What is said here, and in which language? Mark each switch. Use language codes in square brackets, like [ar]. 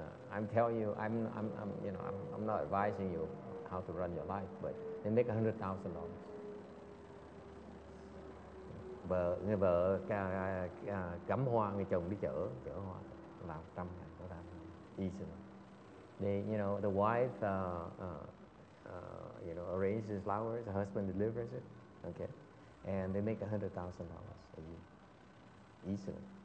[en] I'm not advising you how to run your life, but they make $100,000. [vi] Vợ người vợ cắm hoa, người chồng đi chở chở hoa là trăm ngàn đô la easily. [en] They, you know, the wife you know, arranges flowers, the husband delivers it, okay, and they make $100,000 a year easily.